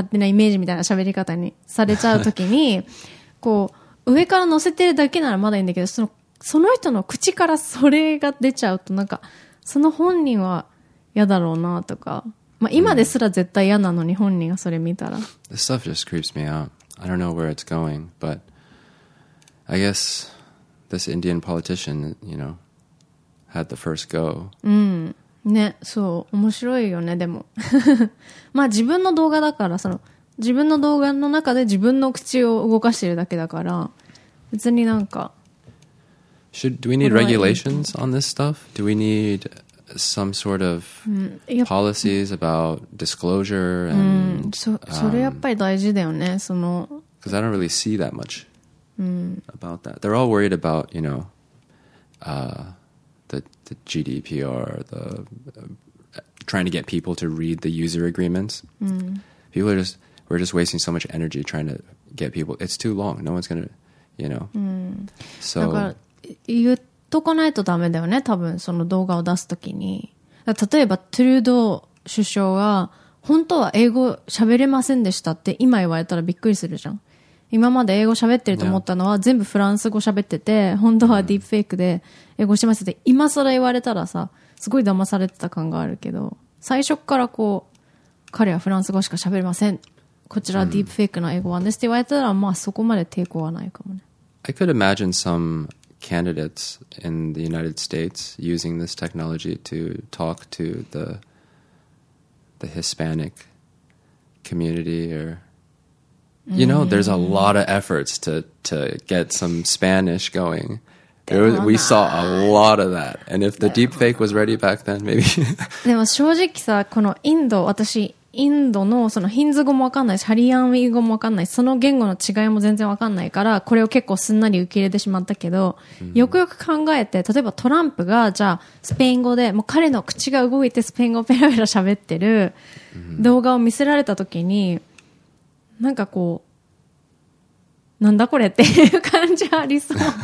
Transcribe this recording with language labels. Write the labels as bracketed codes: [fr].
[ja] ただ、ただ例えば今私が想像したのは、日本のテレビ番組って吹き替え好きじゃん。そのインタビューして、外国の人にインタビューして、それを勝手に吹き替えで、喋り方が元の喋り方と全然違う風になってる。だから結構落ち着いて喋ってんのに、いや、私はなんとか言おうみたいな、こう、なんかよくありがちな外国人の勝手なイメージみたいな喋り方にされちゃう時に、こう、上から乗せてるだけならまだいいんだけど、その、その人の口からそれが出ちゃうと、なんか、その本人は嫌だろうなとか。まあ、今ですら絶対嫌なのに、本人がそれ見たら。 [en] This stuff just creeps me out. I don't know where it's going, but I guess this Indian politician, you know, had the first go. [ja] うん。ね、そう。面白いよね、でも。まあ、自分の動画だから、その、自分の動画の中で自分の口を動かしてるだけだから別になんか [en] Do we need regulations on this stuff? Do we need some sort of policies about disclosure? And, [ja] それやっぱり大事だよね その [en] Because I don't really see that much about that. They're all worried about, you know, the GDPR, the trying to get people to read the user agreements. People are justWe're just wasting so much energy trying to get people. It's too long. No one's gonna, you know. [ja] So, だから言っとかないとダメだよね。多分その動画を出すときに、例えばトルドー首相が本当は英語喋れませんでしたって今言われたらびっくりするじゃん。今まで英語喋ってると思ったのは全部フランス語喋ってて、本当はディープフェイクで英語してますって今更言われたらさ、すごい騙されてた感があるけど、最初からこう彼はフランス語しか喋れません。こちらディープフェイクの英語版ですって言われたら、まあそこまで抵抗はないかもね。 [en] I could imagine some candidates in the United States using this technology to talk to the Hispanic community or... You know, there's a lot of efforts to get some Spanish going. We saw a lot of that. And if the deep fake was ready back then, maybe... [ja] でも正直さ、このインド、私、インドのそのヒンズ語もわかんないし、ハリアンウィー語もわかんないし、その言語の違いも全然わかんないから、これを結構すんなり受け入れてしまったけど、よくよく考えて、例えばトランプが、じゃあ、スペイン語で、もう彼の口が動いてスペイン語ペラペラ喋ってる動画を見せられた時に、なんかこう、なんだこれっていう感じありそう。